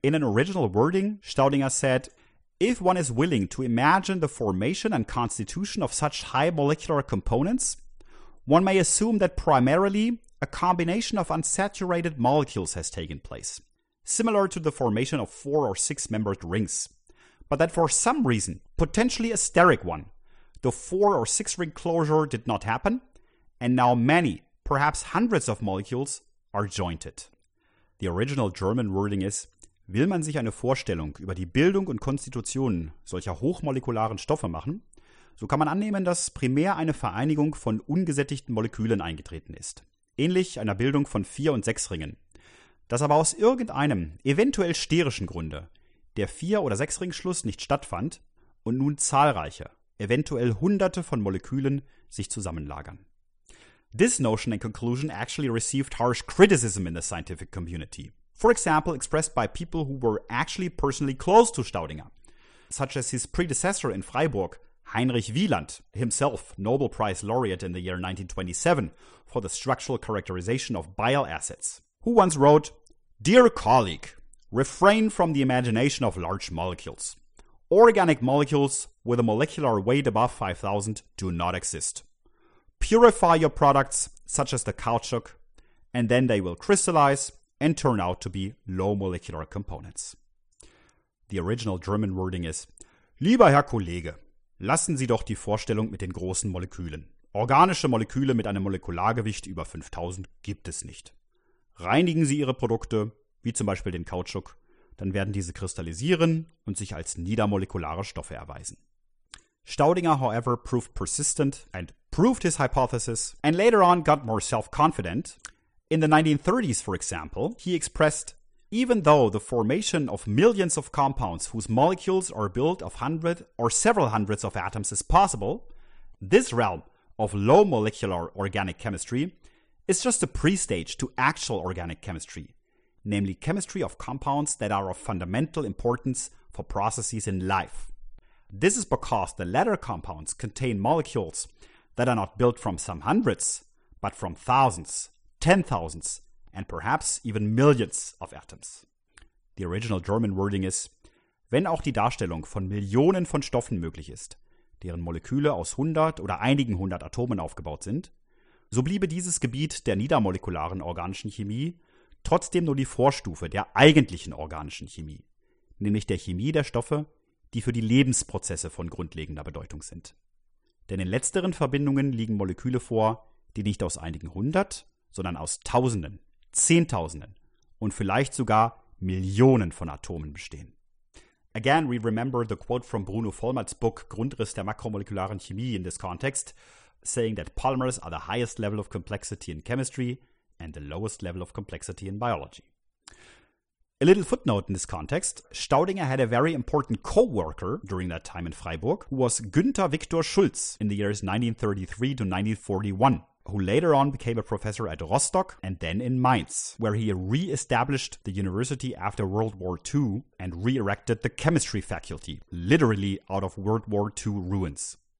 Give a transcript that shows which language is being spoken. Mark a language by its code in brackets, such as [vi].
[en] In an original wording, Staudinger said, "If one is willing to imagine the formation and constitution of such high molecular components, one may assume that primarily a combination of unsaturated molecules has taken place, similar to the formation of 4 or 6-membered rings, but that for some reason, potentially a steric one, the 4 or 6-ring closure did not happen, and now many, perhaps hundreds of molecules, are jointed." [de] The original German wording is, "Will man sich eine Vorstellung über die Bildung und Konstitution solcher hochmolekularen Stoffe machen, so kann man annehmen, dass primär eine Vereinigung von ungesättigten Molekülen eingetreten ist, ähnlich einer Bildung von 4 und 6 Ringen, dass aber aus irgendeinem, eventuell sterischen Grunde, der 4- oder 6-Ring-Schluss nicht stattfand und nun zahlreiche, eventuell hunderte von Molekülen sich zusammenlagern." [en] This notion and conclusion actually received harsh criticism in the scientific community. For example, expressed by people who were actually personally close to Staudinger, such as his predecessor in Freiburg, Heinrich Wieland, himself Nobel Prize laureate in the year 1927 for the structural characterization of bile acids, who once wrote, "Dear colleague, refrain from the imagination of large molecules. Organic molecules with a molecular weight above 5,000 do not exist. Purify your products, such as the caoutchouc, and then they will crystallize and turn out to be low molecular components." [de] The original German wording is, "Lieber Herr Kollege, lassen Sie doch die Vorstellung mit den großen Molekülen. Organische Moleküle mit einem Molekulargewicht über 5000 gibt es nicht. Reinigen Sie Ihre Produkte, wie zum Beispiel den Kautschuk, dann werden diese kristallisieren und sich als niedermolekulare Stoffe erweisen." [en] Staudinger, however, proved persistent and proved his hypothesis and later on got more self-confident. In the 1930s, for example, he expressed, "Even though the formation of millions of compounds whose molecules are built of hundred or several hundreds of atoms is possible, this realm of low molecular organic chemistry is just a pre-stage to actual organic chemistry, namely chemistry of compounds that are of fundamental importance for processes in life. This is because the latter compounds contain molecules that are not built from some hundreds, but from thousands, 10,000s, and perhaps even millions of atoms." [de] The original German wording is, "Wenn auch die Darstellung von Millionen von Stoffen möglich ist, deren Moleküle aus 100 oder einigen 100 Atomen aufgebaut sind, so bliebe dieses Gebiet der niedermolekularen organischen Chemie trotzdem nur die Vorstufe der eigentlichen organischen Chemie, nämlich der Chemie der Stoffe, die für die Lebensprozesse von grundlegender Bedeutung sind. Denn in letzteren Verbindungen liegen Moleküle vor, die nicht aus einigen hundert, sondern aus Tausenden, Zehntausenden und vielleicht sogar Millionen von Atomen bestehen." [en] Again, we remember the quote from Bruno Vollmert's book Grundriss der makromolekularen Chemie in this context, saying that polymers are the highest level of complexity in chemistry and the lowest level of complexity in biology. A little footnote in this context, Staudinger had a very important co-worker during that time in Freiburg, who was Günther Victor Schulz in the years 1933 to 1941, who later on became a professor at Rostock and then in Mainz, where he re-established the university after World War II and re-erected the chemistry faculty, literally out of World War II ruins.